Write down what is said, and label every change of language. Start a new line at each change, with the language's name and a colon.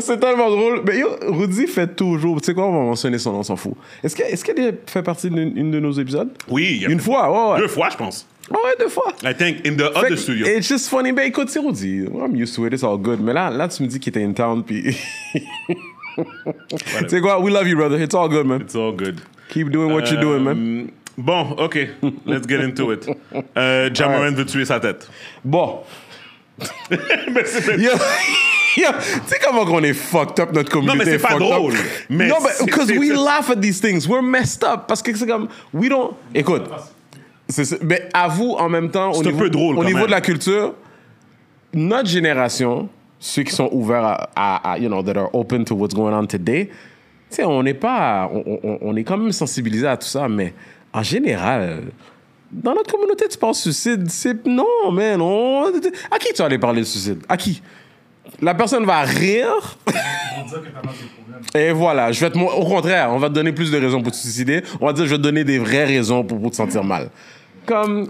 French: C'est tellement drôle. Mais yo, Rudy fait toujours. Tu sais quoi, on va mentionner son nom, on s'en fout. Est-ce qu'elle fait partie d'une de nos épisodes? Oui, y a une fois. Ouais. Deux fois, je pense. Ouais, deux fois.
English: I think in the other studio. It's just funny,
French: mais écoute, c'est Rudy.
English: I'm used to it, it's all good.
French: Mais là tu me dis qu'il était
English: in town,
French: puis. Tu sais quoi,
English: we love you, brother. It's all good, man. It's all good. Keep doing what you're doing, man. Bon, OK. Let's get into it. Ja Morant
French: veut tuer sa tête. Bon. Merci. Tu sais comment on est
English: fucked up,
French: notre communauté. Non, mais c'est pas drôle. Mais non, mais
English: because we laugh at these things. We're messed up.
French: Parce que c'est comme...
English: We don't...
French: Écoute. C'est, mais avoue, en même temps... C'est au niveau, un peu drôle, au niveau même. De la culture, notre génération, ceux qui sont ouverts à...
English: You know, that are open to what's going on today,
French: tu sais, on n'est pas... On est quand même sensibilisés à tout ça, mais en général... Dans notre communauté, tu parles suicide. C'est... Non, mais non. À qui tu vas aller parler de suicide? À qui? La personne va rire. Et voilà, je vais te... Au contraire, on va te donner plus de raisons pour te suicider. On va dire, je vais te donner des vraies raisons pour te sentir mal. Comme...